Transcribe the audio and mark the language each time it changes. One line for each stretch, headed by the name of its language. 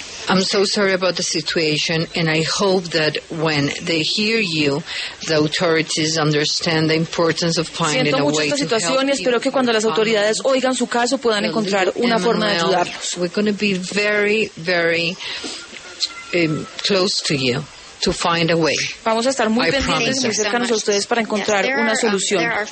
English: I'm so sorry about the situation, and I hope that when they hear you, the authorities understand the importance of finding a way to help.
Spanish: Siento mucho esta situación y espero que cuando las autoridades oigan su caso puedan encontrar una forma de ayudarlos.
English: We're going to be very, very close to you to find a way.
Spanish: Vamos a estar muy pendientes y muy cercanos a ustedes para encontrar una solución.